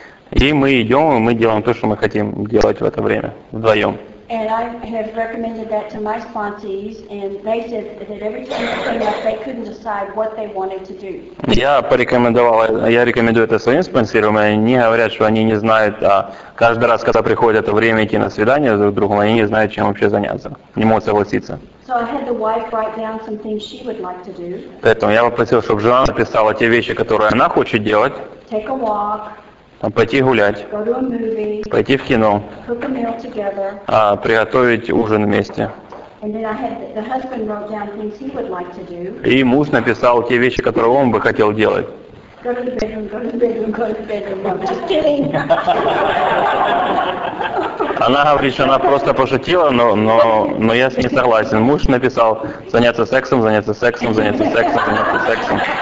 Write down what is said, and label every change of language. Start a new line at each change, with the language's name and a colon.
Russian: И мы идем, и мы делаем то, что мы хотим делать в это время вдвоем.
English: And I have recommended that to my sponsees, and they said that every time they came up, they couldn't decide what they wanted to do.
Russian: Я рекомендую это своим спонсорам, и они говорят, что они не знают, каждый раз, когда приходит время идти на свидание друг с другом, они не знают, чем вообще заняться, не могут согласиться.
English: So I had the wife write down some things she would like to do.
Russian: Поэтому я попросил, чтобы жена написала те вещи, которые она хочет делать.
English: Take a walk.
Russian: Пойти гулять,
English: go to a movie,
Russian: пойти в кино,
English: cook a meal together,
Russian: приготовить ужин вместе.
English: And then I had the husband wrote down things he would like to do.
Russian: И муж написал те вещи, которые он бы хотел делать.
English: Go to the bedroom, go to the bedroom, go to the bedroom. I'm just kidding.
Russian: Она говорит, что она просто пошутила, но я с ней согласен. Муж написал заняться сексом, заняться сексом, заняться сексом, заняться сексом.